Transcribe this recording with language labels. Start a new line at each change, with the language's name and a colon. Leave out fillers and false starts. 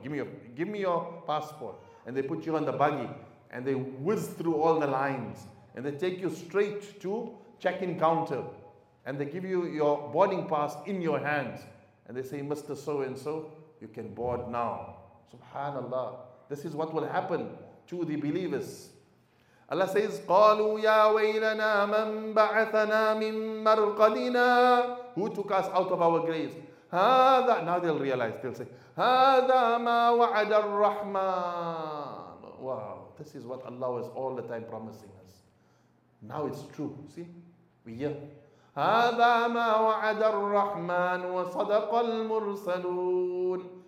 English: Give me your passport. And they put you on the buggy and they whiz through all the lines and they take you straight to check-in counter. and they give you your boarding pass in your hands, and they say, Mr. So-and-so, you can board now. Subhanallah. This is what will happen to the believers. Allah says,
Arabic: قَالُوا يَا وَيْلَنَا مَنْ بَعَثَنَا مِنْ مَرْقَدِنَا.
English: Who took us out of our graves?
Arabic: هذا.
English: Now they'll realize, they'll say,
Arabic: هَذَا مَا وَعَدَ الرَّحْمَنُ.
English: Wow, this is what Allah was all the time promising us. Now it's true, see? We hear.
Arabic: هَذَا مَا وَعَدَ الرَّحْمَنُ وَصَدَقَ الْمُرْسَلُونَ.